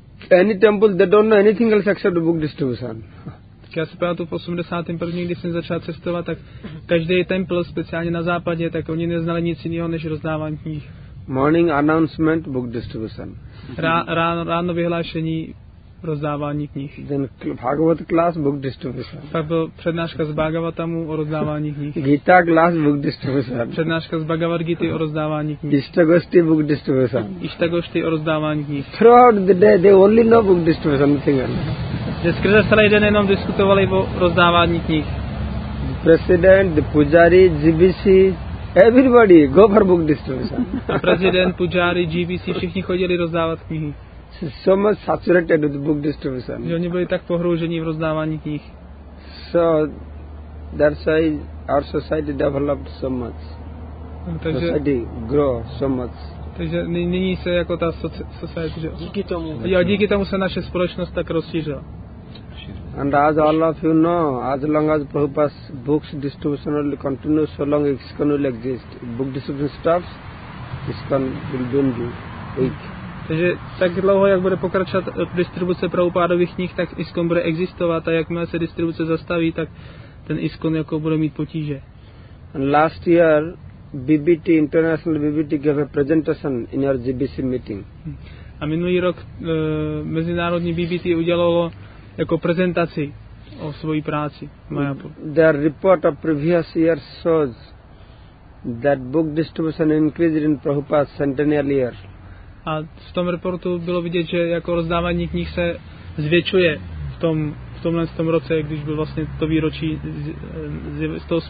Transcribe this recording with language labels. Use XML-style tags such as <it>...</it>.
<en>Any temple they don't know anything else except book distribution.</en> <cs>Tak já si pamatuju v 81. když jsem začal cestovat, tak každý temple speciálně na západě, tak oni neznali nic jiného než rozdávání knih.</cs> <en>Morning announcement book distribution.</en> <cs>Ráno vyhlášení rozdávání knih.</cs> <en>Then Bhagavad class book distribution.</en> <cs>Pak byl přednáška z Bhagavatamu o rozdávání knih.</cs> <en>Gita class book distribution.</en> <cs>Přednáška z Bhagavad Gita o rozdávání knih.</cs> <en>Ishtagosti book distribution.</en> <cs>Ishtagosti o rozdávání knih.</cs> <en>Throughout the day they only know book distribution thing.</en> <cs>Že skrze celý den jenom diskutovali o rozdávání knih.</cs> <en>The president, the pujari, GBC, everybody go for book distribution.</en> <cs>President, pujari, GBC, všichni chodili rozdávat knihy.</cs> <en>So much saturated with book distribution.</en> <cs>Že oni byli tak pohroužení v rozdávání knih.</cs> <en>So that's why our society developed so much.</en> <cs>Takže,</cs> <en>society grow so much.</en> <cs>Takže nyní se jako ta society... Díky tomu. Jo, díky tomu se naše společnost tak rozšířila.</cs> <en>And as all of you know, as long as Prabhupada's books distribution will continue, so long ISKCON will exist. If book distribution stops, ISKCON will be weak.</en> <cs>Takže tak dlouho, jak bude pokračovat distribuce Prabhupádových knih, tak ISKCON bude existovat a jakmile se distribuce zastaví, tak ten ISKCON jako bude mít potíže.</cs> <en>And last year, BBT, International BBT gave a presentation in our GBC meeting.</en> <cs>A minulý rok mezinárodní BBT udělalo jako prezentaci o svojí práci v Mayapur.</cs> <en>Their report of previous year shows that book distribution increased in Prabhupada's centennial year.</en> <cs>A v tom reportu bylo vidět, že jako rozdávání knih se zvětšuje v tomhle roce, když byl vlastně to výročí, z toho 8.</cs>